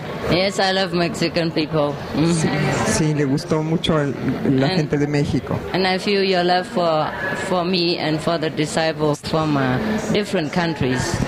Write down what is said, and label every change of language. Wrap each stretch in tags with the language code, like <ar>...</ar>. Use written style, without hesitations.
<en>Yes, I love Mexican people.</en> <es>Sí, le gustó mucho la gente de México.</es> <en>And I feel your love for me and for the disciples from different countries.</en>